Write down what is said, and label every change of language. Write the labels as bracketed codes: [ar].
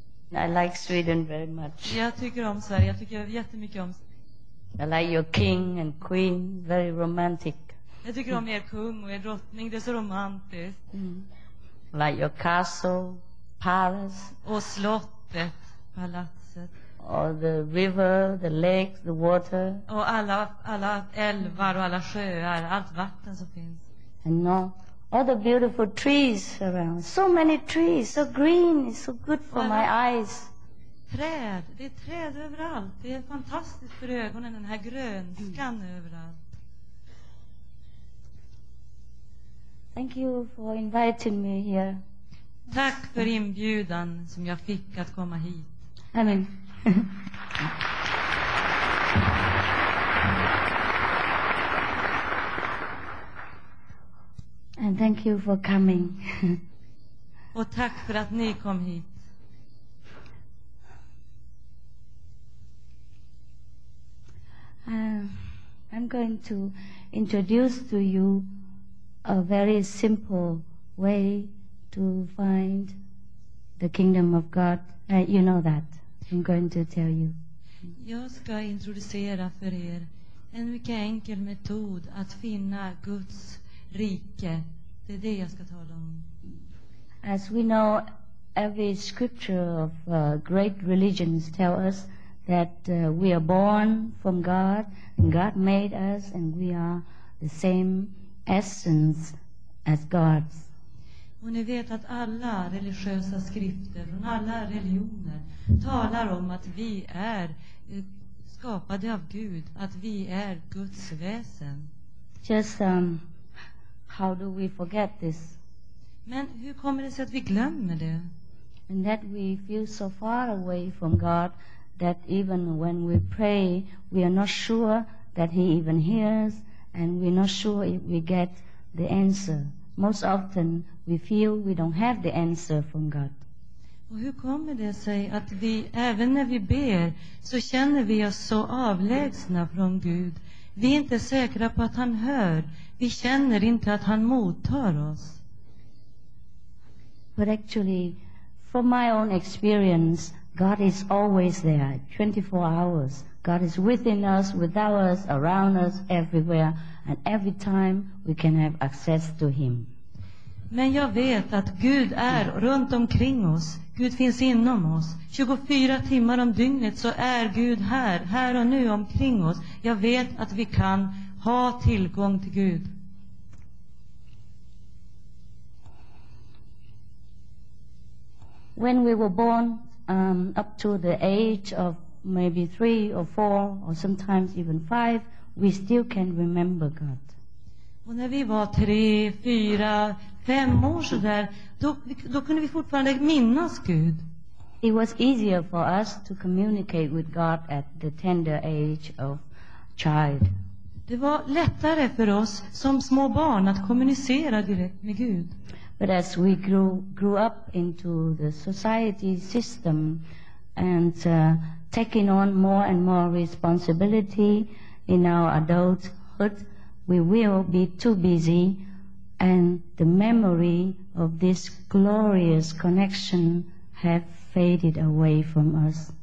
[en] I like Sweden very much. [sv] Jag tycker om Sverige. Jag tycker jättemycket om [en] I like your king and queen, very romantic. [sv] Jag tycker om er kung och er drottning, det är så romantiskt. Mm. [en] Like your castle, palace. [sv] Och slottet, palatset. [en] Or the river, the lake, the water. [sv] Och alla älvar och alla sjöar, allt vatten som finns. [en] And all the beautiful trees around. So many trees, so green, so good for my eyes. [sv] Träd, det är träd överallt. Det är fantastiskt för ögonen, den här grönskan överallt. [en] Thank you for inviting me here. [sv] Tack för inbjudan som jag fick att komma hit. [en] I mean. And thank you for coming. [sv] Och tack för att ni kom hit. [en] I'm going to introduce to you a very simple way to find the kingdom of God. You know that. I'm going to tell you. [sv] Jag ska introducera för er en mycket enkel metod att finna Guds rike. Det är det jag ska tala om. [en] As we know, every scripture of great religions tell us that we are born from God, and God made us, and we are the same essence as God. [sv] Och ni vet att alla religiösa skrifter från alla religioner talar om att vi är skapade av Gud, att vi är Guds väsen. [en] Just how do we forget this? [sv] Men hur kommer det sig att vi glömmer det? [en] And that we feel so far away from God that even when we pray we are not sure that he even hears, and we're not sure if we get the answer. Most often we feel we don't have the answer from God. [sv] Och hur kommer det sig att vi även när vi ber så känner vi oss så avlägsna från Gud? Vi är inte säkra på att han hör. Vi känner inte att han mottar oss. [en] But actually, from my own experience, God is always there, 24 hours. God is within us, without us, around us, everywhere, and every time we can have access to him. [sv] Men jag vet att Gud är runt omkring oss. Gud finns inom oss. 24 timmar om dygnet så är Gud här, här och nu omkring oss. Jag vet att vi kan ha tillgång till Gud. [en] When we were born, up to the age of maybe 3 or 4 or sometimes even 5, we still can remember God. [sv] Och när vi var 3, 4, 5 år så där, då kunde vi fortfarande minnas Gud. [en] It was easier for us to communicate with God at the tender age of child. [sv] Det var lättare för oss som små barn att kommunicera direkt med Gud. [en] But as we grew up into the society system and taking on more and more responsibility in our adulthood, we will be too busy, and the memory of this glorious connection have faded away from us.